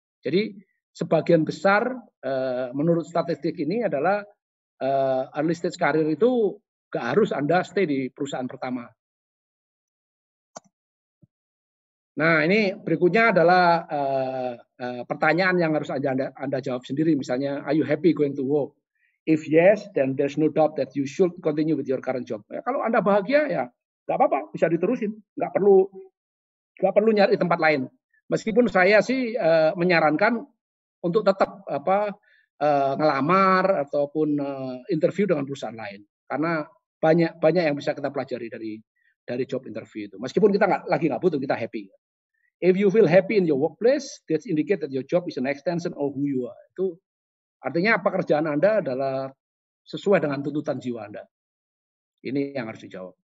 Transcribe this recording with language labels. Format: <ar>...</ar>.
<id>Jadi sebagian besar menurut statistik ini adalah</id> <en>early stage career</en> <id>itu gak harus Anda stay di perusahaan pertama. Nah, ini berikutnya adalah pertanyaan yang harus Anda jawab sendiri. Misalnya,</id> <en>are you happy going to work? If yes, then there's no doubt that you should continue with your current job.</en> <id>Ya, kalau Anda bahagia, ya gak apa-apa, bisa diterusin. Gak perlu nyari tempat lain. Meskipun saya sih menyarankan untuk tetap ngelamar ataupun interview dengan perusahaan lain. Karena banyak yang bisa kita pelajari dari job interview itu. Meskipun kita lagi gak butuh, kita happy.</id> <en>If you feel happy in your workplace, that indicate that your job is an extension of who you are.</en> <id>Itu artinya pekerjaan Anda adalah sesuai dengan tuntutan jiwa Anda. Ini yang harus dijawab.</id>